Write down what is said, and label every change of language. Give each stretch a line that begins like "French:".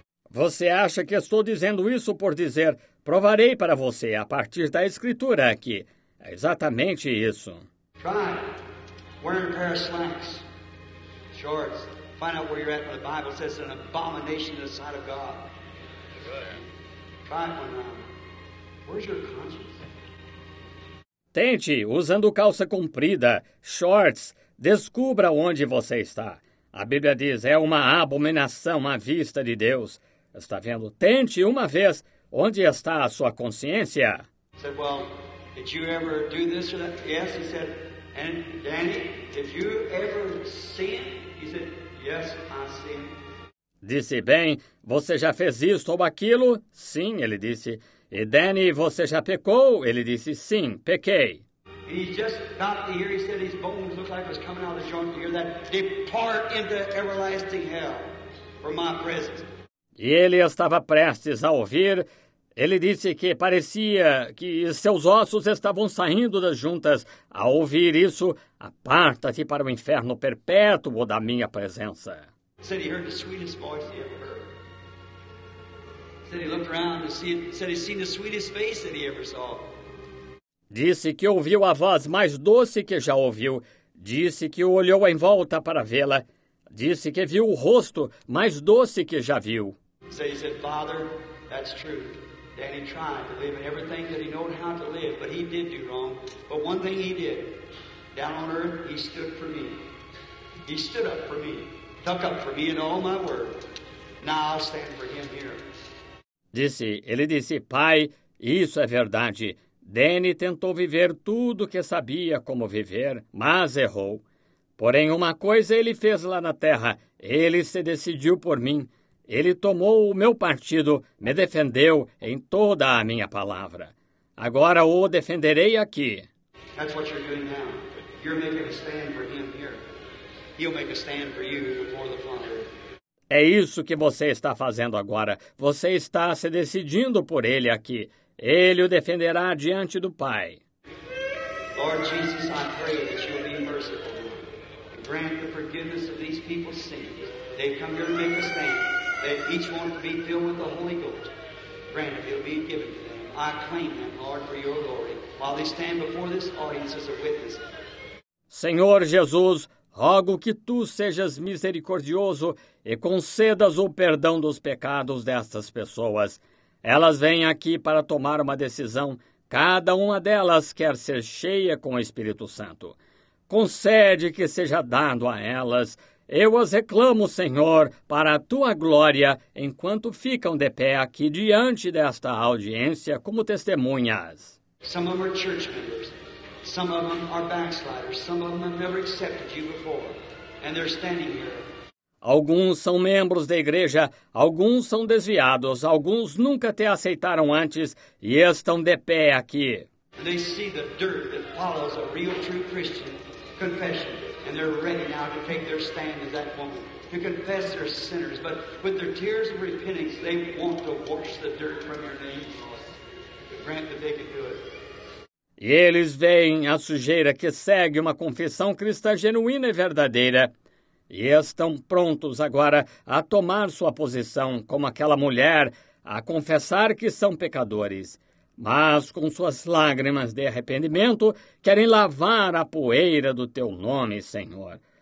Portuguese: Você acha que estou dizendo isso por dizer... Provarei para você a partir da escritura aqui. É exatamente isso.
English: Try wearing a pair of slacks, shorts. Find out where you're at when the Bible says it's an abomination to the sight of God. Try one now. Where's your conscience?
Portuguese: Tente usando calça comprida, shorts. Descubra onde você está. A Bíblia diz, é uma abominação à vista de Deus. Está vendo? Tente uma vez... Onde está a sua consciência?
English: Said, well, did you ever do this or that? Yes, he said. And Danny, did you ever sin? He said, yes, I sinned.
Portuguese: Disse, bem, você já fez isto ou aquilo? Sim, ele disse. E Danny, você já pecou? Ele disse, sim, pequei.
English: And he just got to hear, he said, his bones looked like it was coming out of the joint to hear that. Depart into everlasting hell from my presence.
Portuguese: E ele estava prestes a ouvir, ele disse que parecia que seus ossos estavam saindo das juntas. Ao ouvir isso, aparta-te para o inferno perpétuo da minha presença.
English: Said he heard the sweetest voice he ever heard. Said he looked around and said he seen the sweetest face that he ever saw.
Portuguese: Disse que ouviu a voz mais doce que já ouviu. Disse que olhou em volta para vê-la. Disse que viu o rosto mais doce que já viu.
English: So he said, Father, that's true. Danny tried to live in everything that he knew how to live, but he did do wrong. But one thing he did, down on earth, he stood for me. He stood up for me, took up for me in all my work. Now I'll stand for him here.
Portuguese: Disse, ele disse, Pai, isso é verdade. Danny tentou viver tudo que sabia como viver, mas errou. Porém, uma coisa ele fez lá na terra. Ele se decidiu por mim. Ele tomou o meu partido, me defendeu em toda a minha palavra. Agora o defenderei aqui.
English: That's what you're doing now. You're making a stand for him here. He'll make a stand for you before the Father.
Portuguese: É isso que você está fazendo agora. Você está se decidindo por ele aqui. Ele o defenderá diante do Pai.
English: Lord Jesus, I pray that you'll be merciful. Grant the forgiveness of these people's sins. They come here to make a stand. That each one to be filled with the Holy Ghost. Granted, it'll be given to them. I claim them, Lord, for your glory, while they stand before this audience as a witness.
Portuguese: Senhor Jesus, rogo que tu sejas misericordioso e concedas o perdão dos pecados destas pessoas. Elas vêm aqui para tomar uma decisão. Cada uma delas quer ser cheia com o Espírito Santo. Concede que seja dado a elas... Eu as reclamo, Senhor, para a Tua glória, enquanto ficam de pé aqui diante desta audiência como testemunhas.
English: Some of them are church members. Some of them are backsliders. Some of them have never accepted you before. And they're standing here.
Portuguese: Alguns são membros da igreja, alguns são desviados, alguns nunca te aceitaram antes e estão de pé aqui.
English: And they see the dirt that follows a real true Christian confession. And they're ready now to take their stand as that woman, to confess their sinners. But with their tears of repentance, they want to wash the dirt from your name, Lord. Grant that they can do it.
Portuguese: E eles veem a sujeira que segue uma confissão cristã genuína e verdadeira. E estão prontos agora a tomar sua posição como aquela mulher, a confessar que são pecadores. Mas com suas lágrimas de arrependimento, querem lavar a poeira do teu nome, Senhor.